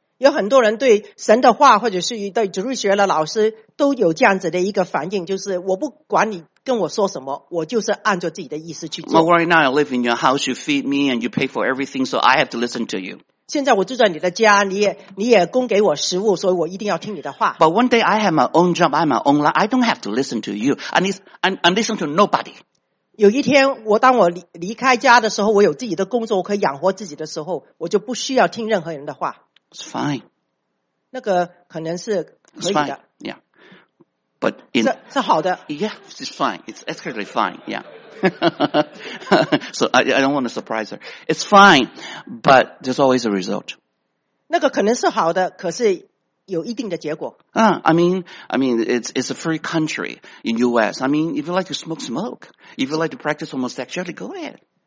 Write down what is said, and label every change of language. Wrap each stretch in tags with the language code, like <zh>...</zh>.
<zh>有很多人对神的话或者是对主日学的老师都有这样子的一个反应，就是我不管你跟我说什么，我就是按照自己的意思去做。</zh> <en>Well, right now I live in your house, you feed me and you pay for everything, so I have to listen to you.</en> <zh>现在我住在你的家，你也供给我食物，所以我一定要听你的话。</zh> <en>But one day I have my own job, I have my own life, I don't have to listen to you, I listen to nobody.</en> <zh>有一天我当我离开家的时候我有自己的工作我可以养活自己的时候我就不需要听任何人的话。</zh> <en>It's fine.</en> <zh>那个可能是可以的。</zh> <en>It's fine. Yeah. But in,</en> <zh>是好的。</zh> <en>Yeah, it's fine. It's actually fine. Yeah. So I don't want to surprise her. It's fine, but there's always a result.</en> <zh>那个可能是好的可是有一定的结果。</zh> <en>I mean, it's a free country in U.S. I mean, if you like to smoke, smoke. If you like to practice homosexuality, go ahead.</en>